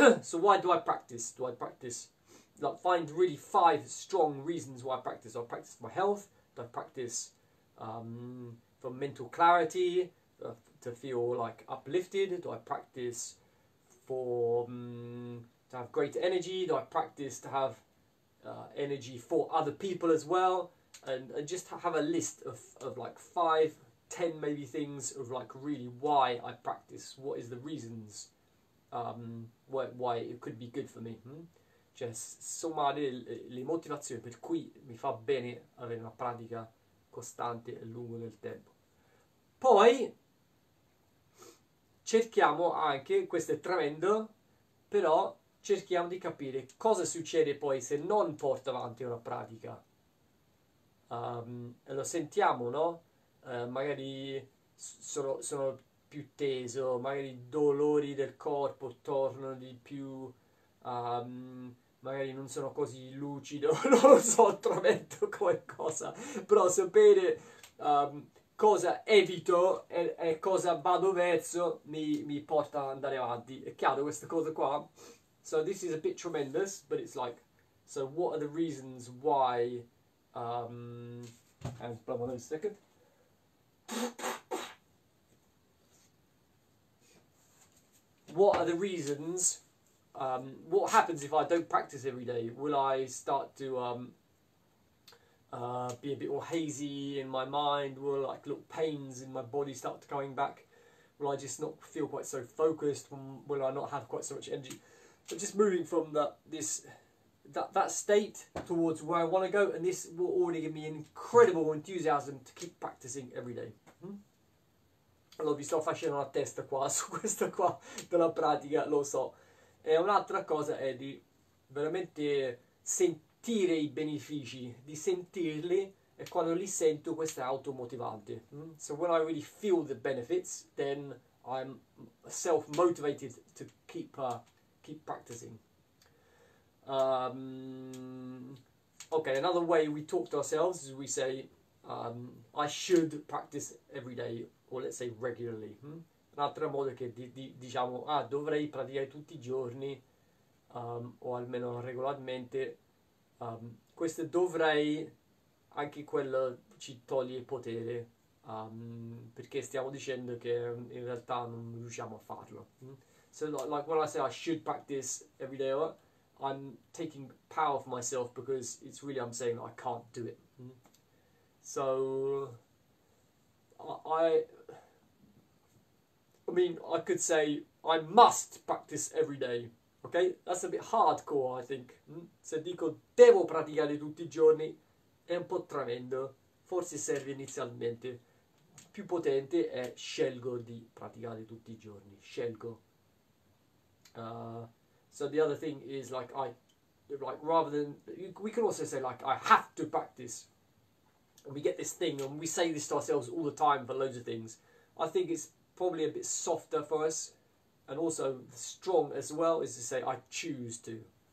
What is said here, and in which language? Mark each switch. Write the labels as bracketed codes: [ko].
[en] So why do I practice? Do I practice? Like, find really five strong reasons why I practice. Do I practice for my health? Do I practice for mental clarity? To feel like uplifted? Do I practice for to have great energy? Do I practice to have energy for other people as well? And just have a list of like five, 10 maybe things of like really why I practice, what is the reasons why it could be good for me. [it] Cioè, sommare le motivazioni per cui mi fa bene avere una pratica costante e lungo nel tempo. Poi cerchiamo anche, questo è tremendo, però cerchiamo di capire cosa succede poi se non porto avanti una pratica. E lo sentiamo, no? Magari sono più teso, magari i dolori del corpo tornano di più, magari non sono così lucido, non lo so, tormento qualcosa, però sapere cosa evito e cosa vado verso mi porta ad andare avanti. È chiaro questa cosa qua? [en] So this is a bit tremendous, but it's like, so what are the reasons why, and blah blah blah, a second. What are the reasons? What happens if I don't practice every day? Will I start to be a bit more hazy in my mind? Will like little pains in my body start to coming back? Will I just not feel quite so focused? Will I not have quite so much energy? I'm just moving from that state towards where I want to go, and this will already give me incredible enthusiasm to keep practicing every day. [it] Allora, vi sto facendo una testa qua su questa qua della pratica, lo so. E un'altra cosa è di veramente sentire i benefici, di sentirli, e quando li sento, questo è automotivante. [en] So when I really feel the benefits, then I'm self-motivated to keep practicing. Okay, another way we talk to ourselves is we say, I should practice every day. Or let's say regularly. [it] Un'altra modo che diciamo, ah, dovrei praticare tutti i giorni, o almeno regolarmente. Questo dovrei, anche quello ci toglie potere, perché stiamo dicendo che in realtà non riusciamo a farlo. [en] So like when I say I should practice every day, I'm taking power for myself because it's really I'm saying I can't do it. So I mean, I could say I must practice every day, okay? That's a bit hardcore, I think. [it] Se dico devo praticare tutti i giorni, è un po' tremendo. Forse serve inizialmente. Più potente è scelgo di praticare tutti i giorni. Scelgo. [en] So the other thing is like rather than, we can also say like I have to practice. And we get this thing and we say this to ourselves all the time for loads of things. I think it's probably a bit softer for us, and also strong as well, is to say I choose to.